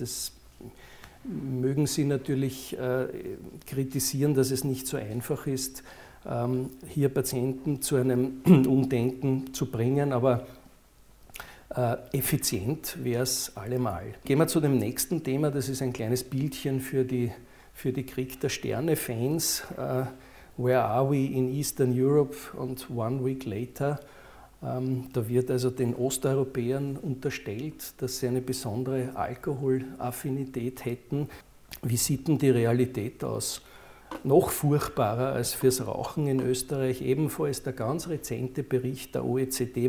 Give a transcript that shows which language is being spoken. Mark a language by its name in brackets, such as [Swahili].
[German] Das mögen Sie natürlich kritisieren, dass es nicht so einfach ist, hier Patienten zu einem Umdenken zu bringen, aber effizient wäre es allemal. Gehen wir zu dem nächsten Thema, das ist ein kleines Bildchen für die Krieg der Sterne-Fans. [English] Where are we in Eastern Europe and one week later? [German] Da wird also den Osteuropäern unterstellt, dass sie eine besondere Alkoholaffinität hätten. Wie sieht denn die Realität aus? Noch furchtbarer als fürs Rauchen in Österreich, ebenfalls der ganz rezente Bericht der OECD.